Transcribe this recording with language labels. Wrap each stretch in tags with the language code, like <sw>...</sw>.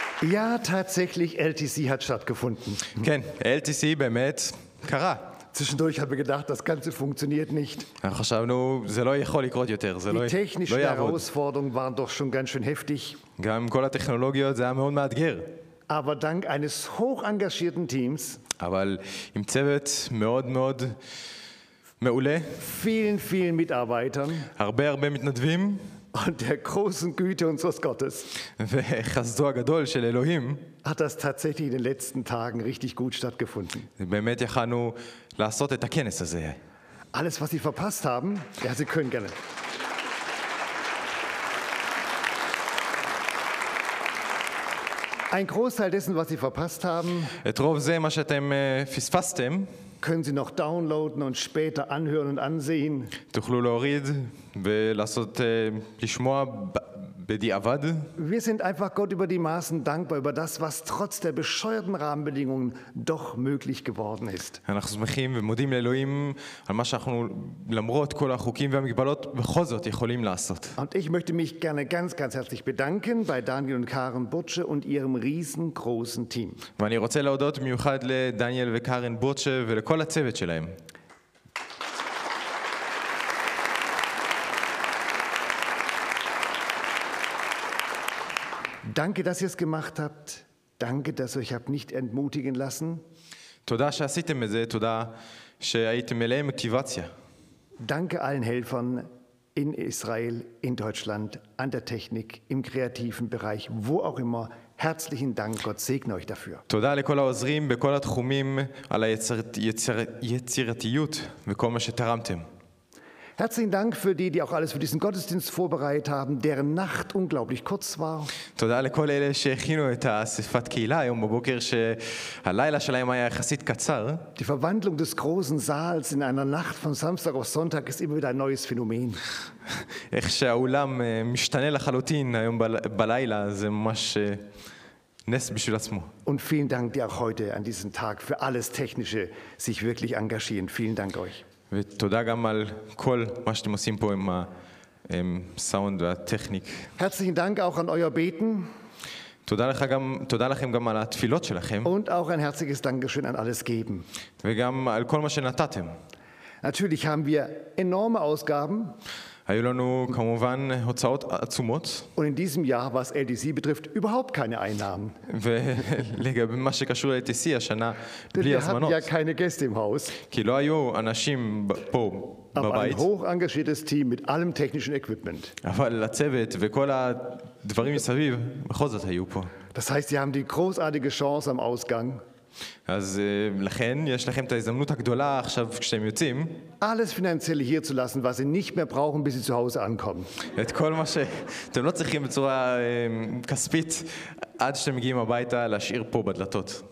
<de>Ja, tatsächlich, LTC hat stattgefunden.</de> <he>Ken, LTC באמת קרה.</he> <de>Zwischendurch haben wir gedacht, das Ganze funktioniert nicht.</de> <he>חשבנו, זה לא יכול לקרות יותר, זה לא יעבוד.</he> <de>Die technischen Herausforderungen waren doch schon ganz schön heftig.</de> <he>גם כל הטכנולוגיות, זה היה מאוד מאתגר.</he> <de>Aber dank eines hoch engagierten Teams.</de> <he>אבל עם צוות מאוד מאוד מעולה.</he> <de>Vielen, vielen Mitarbeitern.</de> <he>הרבה הרבה מתנדבים.</he> <de>Und der großen Güte unseres Gottes</de> <he>וחסדו הגדול של אלוהים</he> <de>hat das tatsächlich in den letzten Tagen richtig gut stattgefunden.</de> <he>באמת יכלנו לעשות את הכנס הזה.</he> <de>Alles, was Sie verpasst haben, ja, Sie können gerne. Ein Großteil dessen, was Sie verpasst haben,</de> <he>את רוב זה, מה שאתם פספסתם,</he> <de>können Sie noch downloaden und später anhören und ansehen.</de> <he>תוכלו להוריד ולעשות, לשמוע בדיעבד.</he> <de>Wir sind einfach Gott über die Maßen dankbar über das, was trotz der bescheuerten Rahmenbedingungen doch möglich geworden ist.</de> <he>אנחנו שמחים ומודים לאלוהים על מה שאנחנו למרות כל החוקים והמגבלות בכל זאת יכולים לעשות.</he> <de>Und ich möchte mich gerne ganz, ganz herzlich bedanken bei Daniel und Karen Butsche und ihrem riesengroßen Team.</de> <he>ואני רוצה להודות מיוחד לדניאל וקארן בוטשה ולכל הצוות שלהם.</he> <de>Danke, dass ihr es gemacht habt. Danke, dass ihr euch habt nicht entmutigen lassen.</de> <he>תודה שעשיתם את זה, תודה שהייתם מלאי מוטיבציה.</he> <de>Danke allen Helfern in Israel, in Deutschland, an der Technik, im kreativen Bereich, wo auch immer. Herzlichen Dank, Gott segne euch dafür.</de> <he>תודה לכל העוזרים בכל התחומים על היצירתיות וכל מה שתרמתם.</he> <de>Herzlichen Dank für die, die auch alles für diesen Gottesdienst vorbereitet haben, deren Nacht unglaublich kurz war.</de> <he>תודה לכל אלה שהכינו את האספת קהילה היום בבוקר שהלילה שלהם היה יחסית קצר.</he> <de>Die Verwandlung des großen Saals in einer Nacht von Samstag auf Sonntag ist immer wieder ein neues Phänomen.</de> <he>איך שהאולם משתנה לחלוטין היום בלילה, זה ממש נס בשביל עצמו.</he> <de>Und vielen Dank dir auch heute an diesem Tag für alles Technische sich wirklich engagieren. Vielen Dank euch.</de> <he>ותודה גם על כל מה שאתם עושים פה עם הסאונד והטכניק.</he> <de>Herzlichen Dank auch an euer Beten.</de> <he>תודה לכם גם על התפילות שלכם.</he> <de>Und auch ein herzliches Dankeschön an alles geben.</de> <he>וגם על כל מה שנתתם.</he> <de>Natürlich haben wir enorme Ausgaben.</de> <he>היו לנו כמובן הוצאות עצומות.</he> <de>Und in diesem Jahr, was LTC betrifft, überhaupt keine Einnahmen.</de> <he>ולגבי מה שקשור ל-LTC, השנה בלי הזמנות.</he> <de>Wir hatten ja keine Gäste im Haus.</de> <he>כי לא היו אנשים פה, בבית.</he> <de>Aber ein hoch engagiertes Team mit allem technischen Equipment.</de> <he>אבל הצוות וכל הדברים מסביב, בכל זאת היו פה.</he> <de>Das heißt, Sie haben die großartige Chance am Ausgang.</de> <he>אז לכן יש לכם את ההזדמנות הגדולה עכשיו כשאתם יוצאים.</he> <de>Alles finanziell hier zu lassen, was Sie nicht mehr brauchen, bis Sie zu Hause ankommen.</de> <he>את כל מה שאתם לא צריכים בצורה כספית עד שאתם מגיעים הביתה להשאיר פה בדלתות.</he>